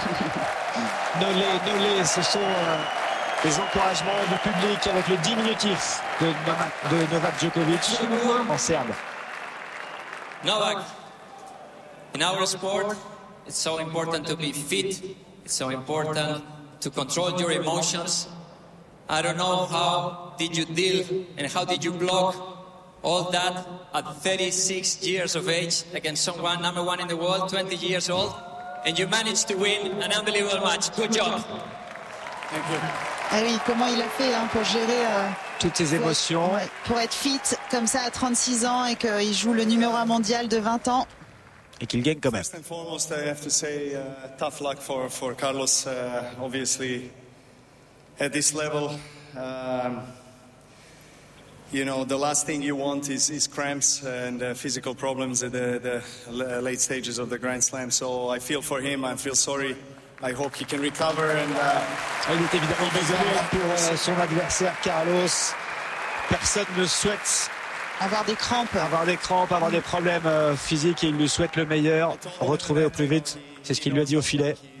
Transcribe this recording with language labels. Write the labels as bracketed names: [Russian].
[French] Nolé, ce sont les encouragements du public avec le diminutif de Novak Djokovic en serbe. Novak. [English] In our sport, it's so important to be fit. It's so important to control your emotions. I don't know how did you deal and how did you block all that at 36 years of age against someone number one in the world, 20 years old, and you managed to win an unbelievable match. Good job. Thank you. [French] Ah oui, comment il a fait hein, pour gérer toutes ses émotions pour être fit comme ça à 36 ans et qu'il joue le numéro un mondial de 20 ans. Et qu'il gagne quand même. [English] First and foremost, I have to say tough luck for Carlos. Obviously, at this level, you know, the last thing you want is cramps and physical problems at the late stages of the Grand Slam. So I feel for him. I feel sorry. I hope he can recover. And [French] il est évidemment désolé pour son adversaire Carlos. Personne ne souhaite avoir des crampes, avoir des problèmes physiques, et il lui souhaite le meilleur, retrouver au plus vite, c'est ce qu'il lui a dit au filet.